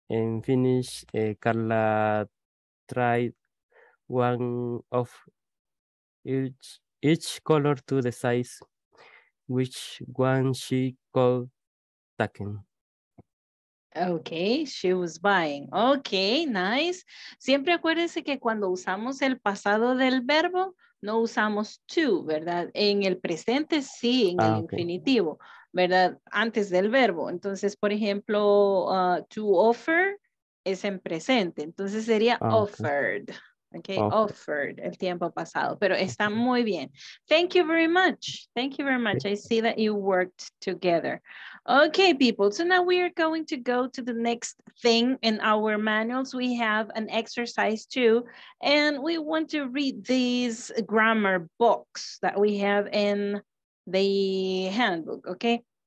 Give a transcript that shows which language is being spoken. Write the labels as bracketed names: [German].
[English] In finish, Carla tried one of each color to the size which one she called taken. Okay, she was buying. Okay, nice. [Spanish] Siempre acuérdense que cuando usamos el pasado del verbo, no usamos to, ¿verdad? En el presente, sí, en el infinitivo, ¿verdad? Antes del verbo. Entonces, por ejemplo, to offer es en presente. Entonces sería offered. Offered, el tiempo pasado, pero está muy bien. [English] Thank you very much. Thank you very much. I see that you worked together. Okay, people, so now we are going to go to the next thing in our manuals. We have an exercise too, and we want to read these grammar books that we have in the handbook, okay?